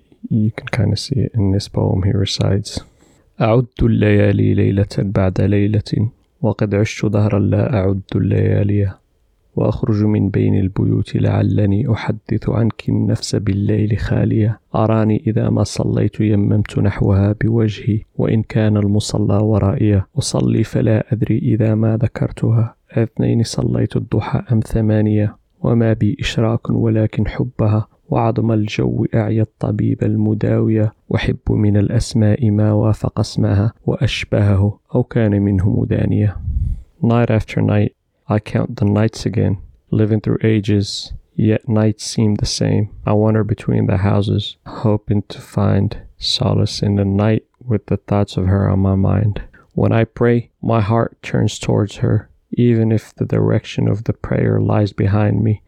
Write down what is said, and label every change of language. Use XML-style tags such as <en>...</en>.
<en>You can kind of see it in this poem he recites.</en> <ar>أعد الليالي ليلة بعد ليلة وقد عشت دهرا لا أعد الليالي وأخرج من بين البيوت لعلني أحدث عنك النفس بالليل خالية أراني إذا ما صليت يممت نحوها بوجهي وإن كان المصلى ورائيا أصلي فلا أدري إذا ما ذكرتها أثنين صليت الضحى أم ثمانية وما بي إشراك ولكن حبها وعظم الجو أعيا الطبيب المداوية وحب من الأسماء ما وافق اسمها وأشبهه أو كان منه مدانية.</ar> <en>Night after night I count the nights again, living through ages, yet nights seem the same. I wander between the houses, hoping to find solace in the night with the thoughts of her on my mind. When I pray, my heart turns towards her, even if the direction of the prayer lies behind me.</en>